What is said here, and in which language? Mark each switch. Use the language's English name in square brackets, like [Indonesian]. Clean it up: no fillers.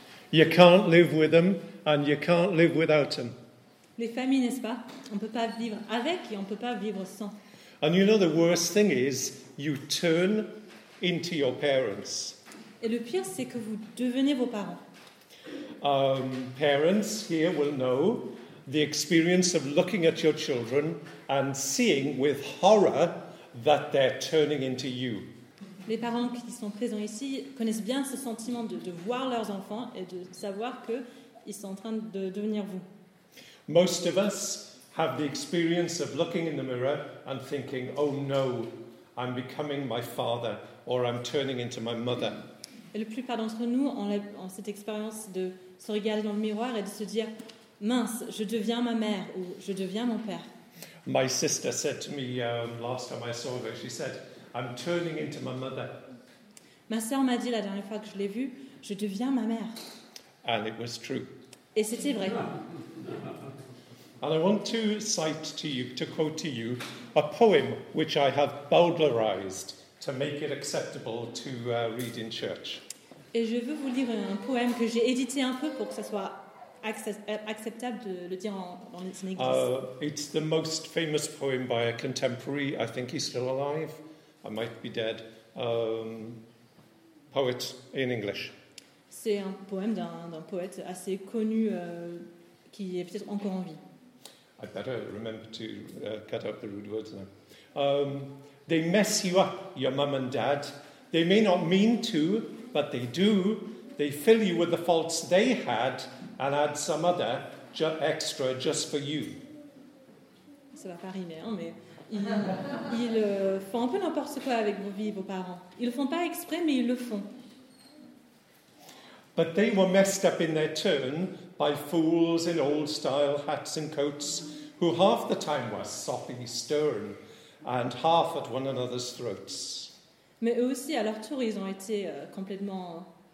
[English] You can't live with them and you can't live without them. [French] Les familles, n'est-ce pas? On ne peut pas vivre avec et on ne peut pas vivre sans. [English] And you know the worst thing is you turn into your parents. [French] Et le pire, c'est que vous devenez vos parents. [English] Parents here will know the experience of looking at your children and seeing with horror that they're turning into you. [French] Les parents qui sont présents ici connaissent bien ce sentiment de voir leurs enfants et de savoir qu'ils sont en train de devenir vous. [English] Most of us have the experience of looking in the mirror and thinking, oh no, I'm becoming my father or I'm turning into my mother. [French] Et la plupart d'entre nous ont cette expérience de se regarder dans le miroir et de se dire, mince, je deviens ma mère ou je deviens mon père. [English] My sister said to me last time I saw her, she said, I'm turning into my mother. [French] Ma sœur m'a dit la dernière fois que je l'ai vue, je deviens ma mère. [English] And it was true. [French] Et c'était vrai. [English] And I want to cite to you, to quote to you, a poem which I have bowdlerized to make it acceptable to read in church. [French] Et je veux vous lire un poème que j'ai édité un peu pour que ça soit acceptable de le dire en église. [English] It's the most famous poem by a contemporary, I think he's still alive. I might be dead, poet in English. [French] C'est un poème d'un poète assez connu qui est peut-être encore en vie. [English] I better remember to cut out the rude words now. They mess you up, your mum and dad. They may not mean to, but they do. They fill you with the faults they had and add some other extra just for you. [French] Ça va pas rimer, hein, mais... Ils font un peu n'importe quoi avec vos vies, vos parents. Ils ne le font pas exprès, mais ils le font. [English] But they were messed up in their turn by fools in old-style hats and coats who half the time were soppy, stern, and half at one another's throats. [French] Mais eux aussi, à leur tour, ils ont été complètement...